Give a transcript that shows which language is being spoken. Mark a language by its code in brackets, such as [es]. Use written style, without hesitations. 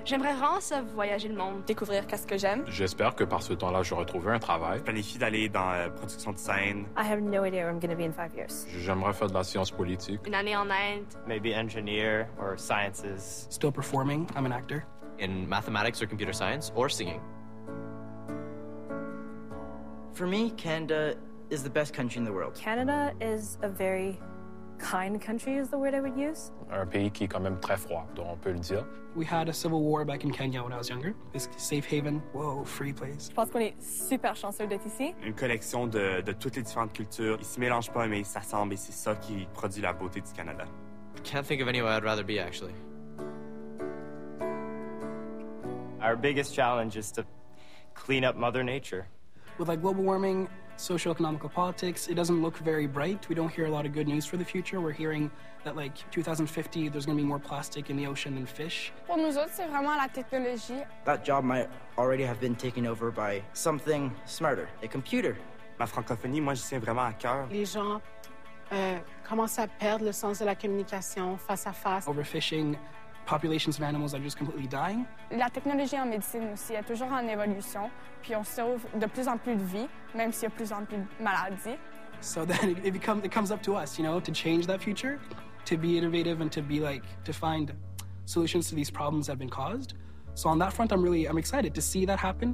[fr] J'aimerais vraiment voyager le monde, découvrir qu'est-ce que j'aime. J'espère que par ce temps-là, j'aurai trouvé un travail. Je planifie d'aller dans la production de scène. [en] I have no idea where I'm going to be in 5 years. [fr] J'aimerais faire de la science politique. Une année en Inde. [en] Maybe engineer or sciences. Still performing, I'm an actor. In mathematics or computer science or singing. For me, Canada is the best country in the world. Canada is a very kind country is the word I would use. [fr] Un pays qui est quand même très froid, donc on peut le dire. [en] We had a civil war back in Kenya when I was younger. This safe haven, whoa, free place. [fr] Je pense qu'on est super chanceux d'être ici. Une collection de toutes les différentes cultures. Ils se mélangent pas, mais ils s'assemblent, et c'est ça qui produit la beauté du Canada. [en] I can't think of anywhere I'd rather be, actually. Our biggest challenge is to clean up Mother Nature. With like global warming, socio-economical politics, it doesn't look very bright. We don't hear a lot of good news for the future. We're hearing that like 2050, there's going to be more plastic in the ocean than fish. [fr] Pour nous autres, c'est vraiment la technologie. [en] That job might already have been taken over by something smarter, a computer. [fr] Ma francophonie, moi, je tiens vraiment à cœur. Les gens commencent à perdre le sens de la communication face à face. [en] Overfishing. Populations of animals are just completely dying. [fr] La technologie en médecine aussi est toujours en évolution, puis on sauve de plus en plus de vies, même s'il y a de plus en plus de maladies. [en] So then it comes up to us, you know, to change that future, to be innovative and to be like, to find solutions to these problems that have been caused. So on that front, I'm excited to see that happen.